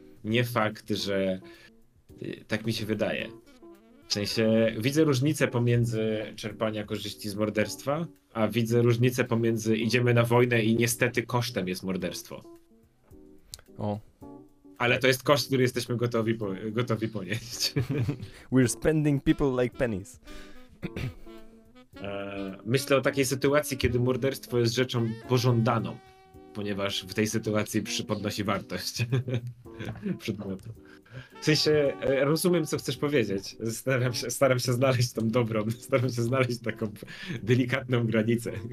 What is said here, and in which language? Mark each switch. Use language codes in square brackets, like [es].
[pl] Nie fakt, że tak mi się wydaje. W sensie widzę różnicę pomiędzy czerpania korzyści z morderstwa, a widzę różnicę pomiędzy idziemy na wojnę i niestety kosztem jest morderstwo. O. Ale to jest koszt, który jesteśmy gotowi ponieść. [en] We're spending people like pennies. [pl] Myślę o takiej sytuacji, kiedy morderstwo jest rzeczą pożądaną, ponieważ w tej sytuacji podnosi wartość przedmiotu. W sensie rozumiem, co chcesz powiedzieć. Staram się znaleźć tą dobrą, staram się znaleźć taką delikatną granicę.